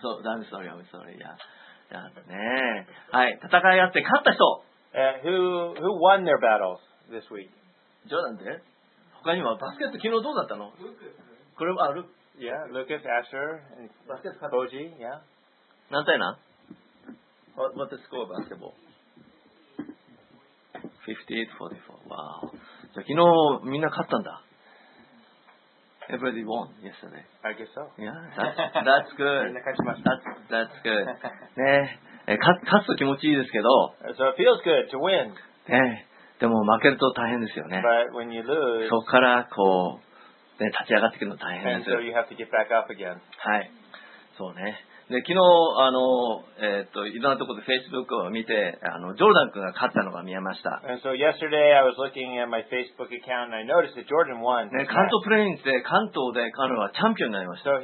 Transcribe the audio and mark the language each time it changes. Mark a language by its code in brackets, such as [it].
[ja] そう、 [en] I'm sorry, I'm sorry, yeah, yeah, [ja] ね、はい、戦いあって勝った人、 [en] Who won their battles this week? [ja] ジョーダンで、他にはバスケット昨日どうだったの？これはある？ [en] Yeah, Lucas, Asher, Boji, yeah. [ja] 何対何？ [en] What's the score of basketball? 58-44. Wow. So, everybody won yesterday. I guess so. Yeah, that's good. That's good. [ja] ね、勝つと気持ちいいですけど。 [en] So it feels good to win. [ja] ね、でも負けると大変ですよね。 [en] But when you lose, [ja] そこからこう、ね、立ち上がってくるの大変です。 [en] And so you have to get back up again. [ja] はい。そうね。で昨日いろんなところで Facebook を見てジョーダン君が勝ったのが見えました。 [en] And so yesterday I was looking at my Facebook account and I noticed that Jordan won. [ja] ね、関東プレインズで関東で彼はチャンピオンになりました。